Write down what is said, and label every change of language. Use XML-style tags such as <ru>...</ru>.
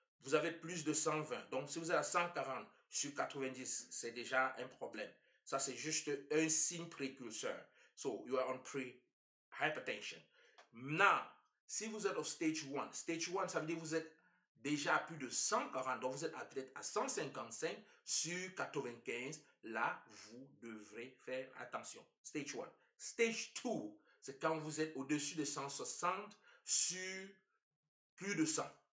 <fr>vous avez plus de 120. Donc, si vous êtes à 140 sur 90, c'est déjà un problème. Ça, c'est juste un signe précurseur.</fr> <en>So, you are on pre-hypertension.</en> <fr>Now, si vous êtes au stage 1, ça veut dire que vous êtes déjà à plus de 140, donc vous êtes athlète à 155 sur 95, là, vous devrez faire attention. Stage 1. Stage 2, c'est quand vous êtes au-dessus de 160 sur plus de 100.</fr>